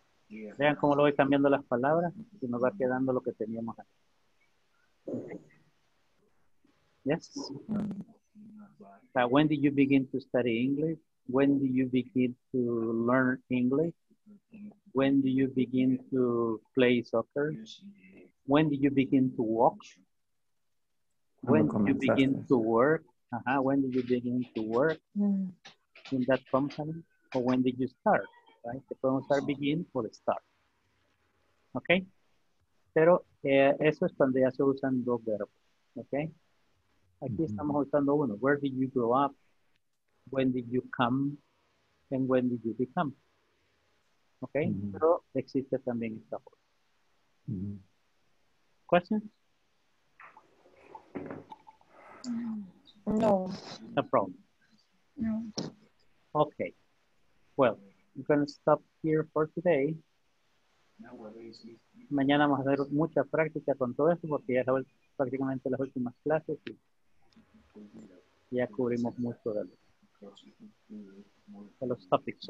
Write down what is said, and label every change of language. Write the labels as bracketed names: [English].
[Spanish] Vean cómo lo voy cambiando las palabras y nos va quedando lo que teníamos aquí. [English] Yes. So when did you begin to study English? When did you begin to learn English? When did you begin to play soccer? When did you begin to walk? When did you begin to work? Uh-huh. When did you begin to work in that company? Or when did you start? Right? The problem start begin or start. Okay? [Spanish] Pero eso es cuando ya se usan dos verbos. [English] Okay? Aquí estamos usando uno. Where did you grow up? When did you come? And when did you become? Okay? Mm-hmm. [Spanish] Pero existe también esta forma. Questions? [English] No. No problem. No. Okay. Well, I'm going to stop here for today. [Spanish] Mañana vamos a hacer mucha práctica con todo esto porque ya son prácticamente las últimas clases y ya cubrimos mucho de los topics.